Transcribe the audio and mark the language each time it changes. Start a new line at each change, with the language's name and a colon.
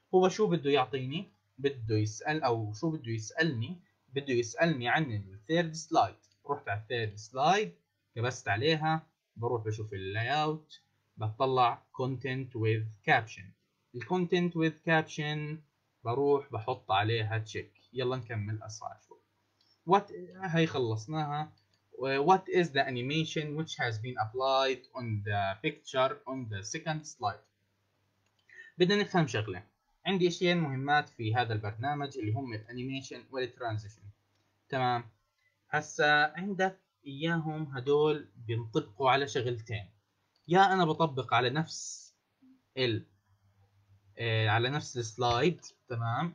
Arabic: هو شو بده يعطيني؟ بده يسأل، او شو بده يسألني؟ بده يسألني عن الثيرد سلايد. رحت على الثيرد سلايد، كبست عليها، بروح بشوف اللاي اوت، بطلع كونتنت وذ كابشن. الكونتنت وذ كابشن بروح بحط عليها تشيك. يلا نكمل اسرع شوي. وات هاي خلصناها.
English: What is the animation which has been applied on the picture on the second slide؟
Arabic: بدنا نفهم شغلة. عندي أشياء مهمات في هذا البرنامج اللي هم الـ animation والـ transition. تمام. هسا عندك إياهم هدول بينطبقوا على شغلتين. يا أنا بطبق على نفس الـ على نفس السلايد. تمام.